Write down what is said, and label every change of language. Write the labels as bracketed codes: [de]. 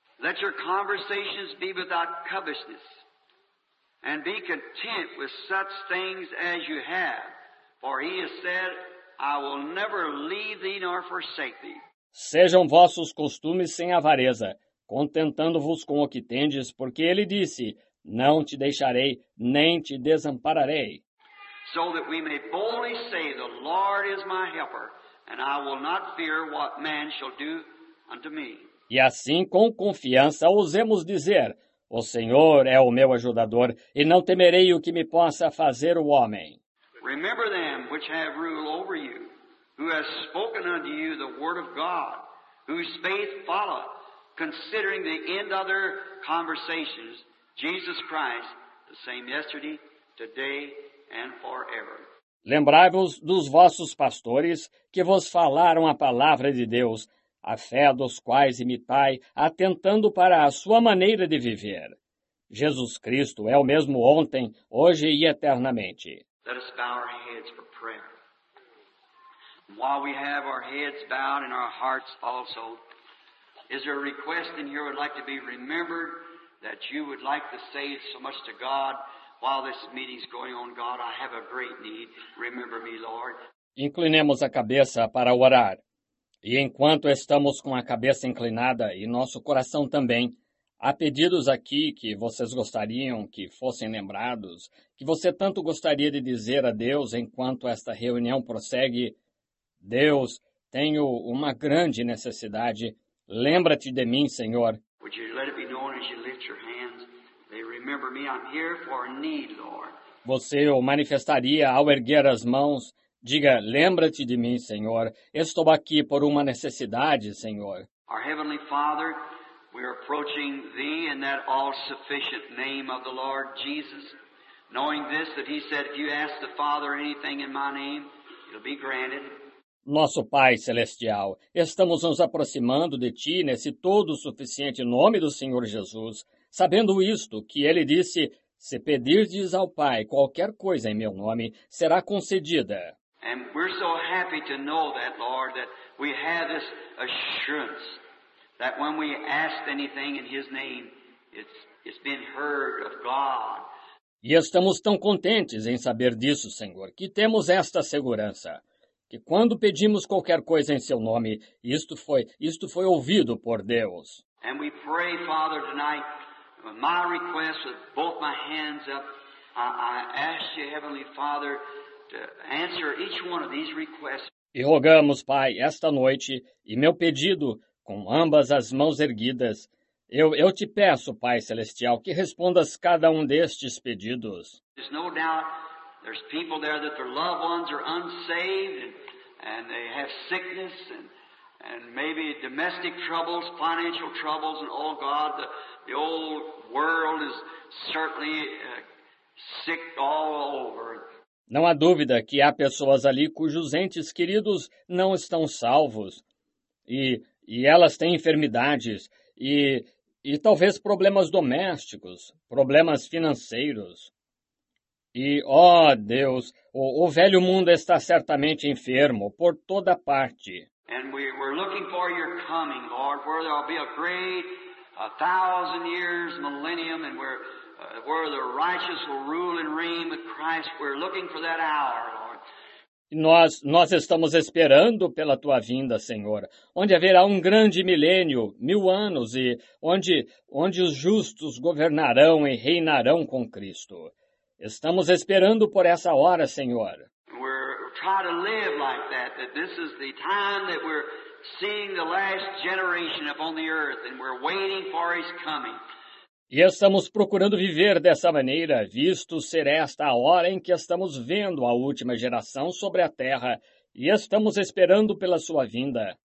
[en] Let your conversations be without covetousness, and be content with such things as you have, for he has said, I will never leave thee nor forsake thee. [pt] Sejam vossos costumes sem avareza, contentando-vos com o que tendes, porque ele disse, não te deixarei, nem te desampararei. [en] So that we may boldly say, the Lord is my helper, and I will not fear what man shall do unto me. [pt] E assim, com confiança, ousemos dizer, o Senhor é o meu ajudador, e não temerei o que me possa fazer o homem. [en] Remember them which have rule over you, who has spoken unto you the word of God, whose faith followeth, considering the end of their conversations, Jesus Christ, the same yesterday, today, and forever. [pt] Lembrai-vos dos vossos pastores, que vos falaram a palavra de Deus, a fé dos quais imitai, atentando para a sua maneira de viver. Jesus Cristo é o mesmo ontem, hoje e eternamente. [en] Let us bow our heads for prayer. And while we have our heads bowed and our hearts also, is there a request in here would like to be remembered that you would like to say it so much to God while this meeting's going on. God, I have a great need. Remember me, Lord. [pt] Inclinemos a cabeça para orar. E enquanto estamos com a cabeça inclinada e nosso coração também, há pedidos aqui que vocês gostariam que fossem lembrados, que você tanto gostaria de dizer a Deus enquanto esta reunião prossegue. Deus, tenho uma grande necessidade. Lembra-te de mim, Senhor. [en] Would you let it be known as you lift your hands? They remember me, I'm here for a need, Lord. [pt] Você o manifestaria ao erguer as mãos? Diga, lembra-te de mim, Senhor. Estou aqui por uma necessidade, Senhor. [en] Our Heavenly Father, we are approaching Thee in that all-sufficient name of the Lord Jesus, knowing this, that He said, if you ask the Father anything in my name, it'll be granted. [pt] Nosso Pai Celestial, estamos nos aproximando de Ti nesse todo-suficiente nome do Senhor Jesus, sabendo isto, que Ele disse, se pedirdes ao Pai qualquer coisa em meu nome, será concedida. [en] And we're so happy to know that, Lord, that we have this assurance that when we ask anything in His name, it's been heard of God. [pt] E estamos tão contentes em saber disso, Senhor, que temos esta segurança, que quando pedimos qualquer coisa em Seu nome, isto foi ouvido por Deus. [en] And we pray, Father, tonight, my request with both my hands up, I ask You, Heavenly Father, answer each one of these requests. [pt] E rogamos, Pai, esta noite, e meu pedido, com ambas as mãos erguidas, eu te peço, Pai Celestial, que respondas cada um destes pedidos. [en] There's no doubt there's people there that their loved ones are unsaved and they have sickness and maybe domestic troubles, financial troubles, and oh God, the old world is certainly sick all over. [pt] Não há dúvida que há pessoas ali cujos entes queridos não estão salvos. E elas têm enfermidades e talvez problemas domésticos, problemas financeiros. E, ó Deus, o velho mundo está certamente enfermo por toda parte. [en] And we're looking for your coming, Lord, where there'll be a great a thousand years, millennium, and where the righteous will rule and reign with Christ. We're looking for that hour, Lord. [pt] Nós estamos esperando pela Tua vinda, Senhor, onde haverá um grande milênio, mil anos, e onde os justos governarão e reinarão com Cristo. Estamos esperando por essa hora, Senhor. [en] We're trying to live like that this is the time that we're seeing the last generation upon the earth, and we're waiting for His coming. [pt] E estamos procurando viver dessa maneira, visto ser esta a hora em que estamos vendo a última geração sobre a terra, e estamos esperando pela sua vinda.